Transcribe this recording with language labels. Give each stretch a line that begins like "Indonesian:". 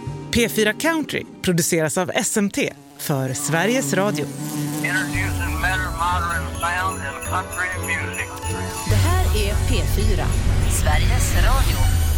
Swedish: P4 Country produceras av SMT för Sveriges Radio.
English: Introducing better modern sound and country music.
Swedish: Det här är P4, Sveriges Radio.